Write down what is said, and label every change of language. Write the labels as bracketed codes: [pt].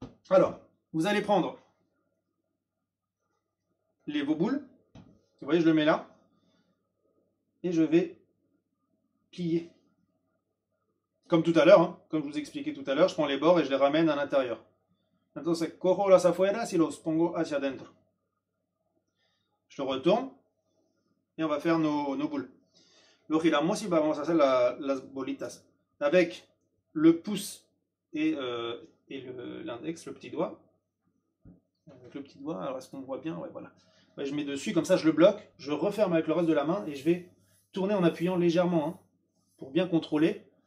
[fr] Alors, vous allez prendre vos boules. Vous voyez, je le mets là. Et je vais plier. Comme tout à l'heure, hein, comme je vous expliquais tout à l'heure, je prends les bords et je les ramène à l'intérieur. [es] Entonces, cojo las afueras y los pongo hacia adentro. [fr] Je le retourne et on va faire nos boules. [es] Lo giramos y vamos a hacer las bolitas. [fr] Avec le pouce et l'index, le petit doigt. Avec le petit doigt, alors est-ce qu'on voit bien? Ouais, voilà. Ouais, je mets dessus, comme ça je le bloque, je referme avec le reste de la main et je vais tourner en appuyant légèrement hein, pour bien contrôler.